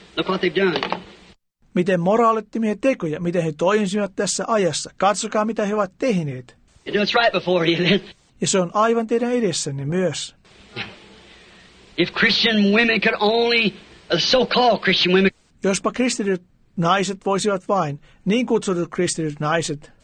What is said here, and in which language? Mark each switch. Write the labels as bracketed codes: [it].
[en] Look what they've done. [fi] Miten moraalittimia tekoja, miten he toimisivat tässä ajassa. Katsokaa, mitä he ovat tehneet. [en] It's right before you, then. [fi] Ja se on aivan teidän edessänne myös. [en] If Christian women could only, so-called Christian women. [fi] Jospa kristityt naiset voisivat vain, niin kutsutut kristityt naiset.